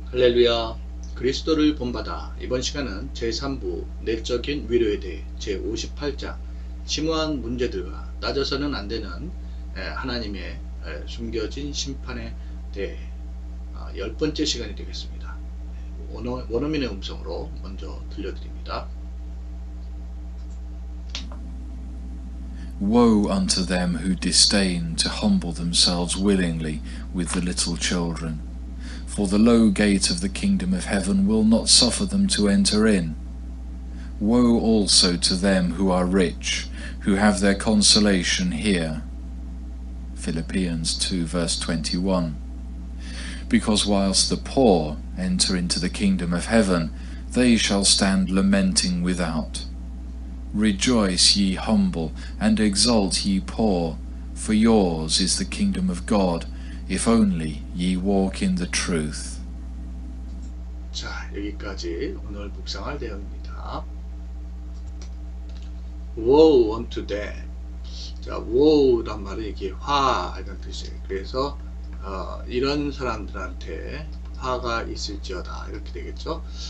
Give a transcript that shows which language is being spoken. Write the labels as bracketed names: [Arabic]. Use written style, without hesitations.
[Korean] 할렐루야, 그리스도를 본받아. 이번 시간은 제3부 내적인 위로에 대해 제58장 심오한 문제들과 낮아서는 안 되는 하나님의 숨겨진 심판에 대해 열 번째 시간이 되겠습니다. 원어민의 음성으로 먼저 들려드립니다. [English] Woe unto them who disdain to humble themselves willingly with the little children, for the low gate of the kingdom of heaven will not suffer them to enter in. Woe also to them who are rich, who have their consolation here. Philippians 2 verse 21. Because whilst the poor enter into the kingdom of heaven, they shall stand lamenting without. Rejoice, ye humble, and exult, ye poor, for yours is the kingdom of God, if only ye walk in the truth. [Korean] 자, 여기까지 오늘 묵상할 내용입니다. [English] Woe unto them. [Korean] 자, woe란 말은 이게 화라는 뜻이에요. 그래서 이런 사람들한테 화가 있을지어다 이렇게 되겠죠.